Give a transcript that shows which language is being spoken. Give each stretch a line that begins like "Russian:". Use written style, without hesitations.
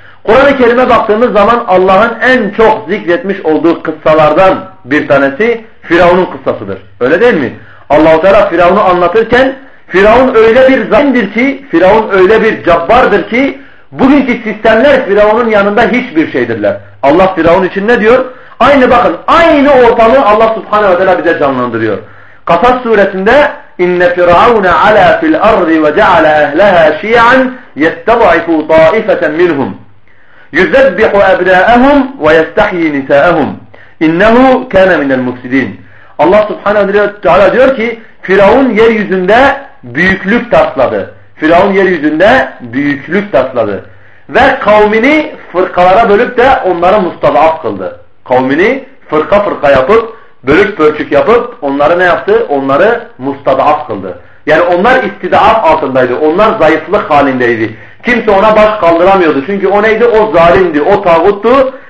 Turkish: Kur'an-ı Kerim'e baktığımız zaman Allah'ın en çok zikretmiş olduğu kıssalardan bir tanesi Firavun'un kıssasıdır. Öyle değil mi? Allah-u Teala Firavun'u anlatırken Firavun öyle bir zalimdir ki, Firavun öyle bir cabbardır ki bugünkü sistemler Firavun'un yanında hiçbir şeydirler. Allah Firavun için ne diyor? Aynı bakın, aynı ortamı Allah Subhanahu ve Teala bize canlandırıyor. Kasas suresinde
Arabic: اِنَّ فِرْعَوْنَ عَلَى فِي الْأَرْضِ وَجَعَلَ اَهْلَهَا شِيَعًا يَتَّبَعِفُوا طَائِفَةً مِنْهُمْ يُذَبِّحُ أَبْنَاءَهُمْ وَيَسْتَحْيِي نِسَاءَهُمْ اِنَّهُ كَانَ مِنَ الْمُفْسِدِينَ
Turkish: Allah Subhanahu ve Teala diyor ki Firavun yeryüzünde büyüklük tasladı. Firavun yeryüzünde büyüklük tasladı. Ve kavmini fırkalara bölüp de onları mustazaf kıldı. Kavmini fırka fırka yapıp, bölük bölçük yapıp onları ne yaptı? Onları mustazaf kıldı. Yani onlar istidaf altındaydı. Onlar zayıflık halindeydi. Kimse ona baş kaldıramıyordu. Çünkü o neydi? O zalimdi. O tağuttu.